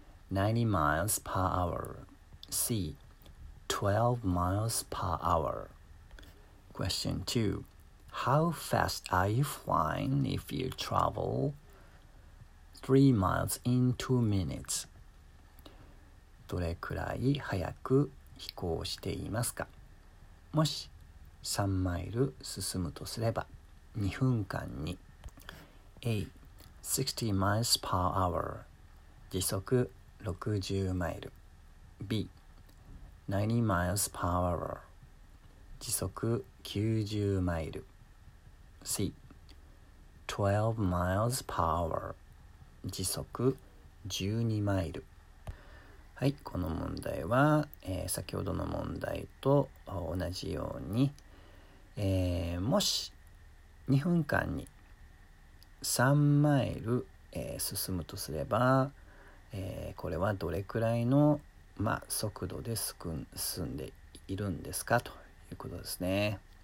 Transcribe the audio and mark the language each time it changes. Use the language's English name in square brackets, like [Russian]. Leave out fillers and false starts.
[English] 90 miles per hour. C. 12 miles per hour. Question 2. How fast are you flying if you travel 3 miles in 2 minutes? [Japanese] どれくらい早く飛行していますか？もし3マイル進むとすれば2分間に。 [English] A. 60 miles per hour [Japanese] 時速60マイル。 [English] B. 90 miles per hour [Japanese] 時速90マイル。 [English] C. 12 miles per hour [Japanese] 時速12マイル。はい、この問題は、先ほどの問題と同じように、もし2分間に3マイル、進むとすれば、これはどれくらいの、速度で進んでいるんですかということですね。